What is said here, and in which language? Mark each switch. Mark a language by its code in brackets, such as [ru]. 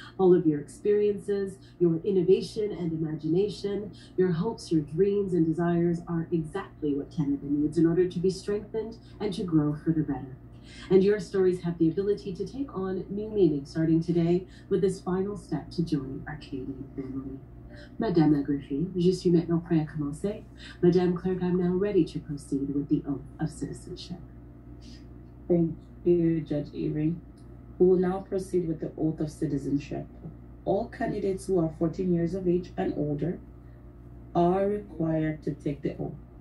[en] All of your experiences, your innovation and imagination, your hopes, your dreams and desires are exactly what Canada needs in order to be strengthened and to grow for the better. And your stories have the ability to take on new meaning starting today with this final step to join our Canadian family. [fr] Madame la Greffier, je suis maintenant prêt à commencer. [en] Madame Clerk, I'm now ready to proceed with the oath of citizenship. Thank you, Judge Avery. We will now proceed with the oath of citizenship. All candidates who are 14 years of age and older are required to take the oath.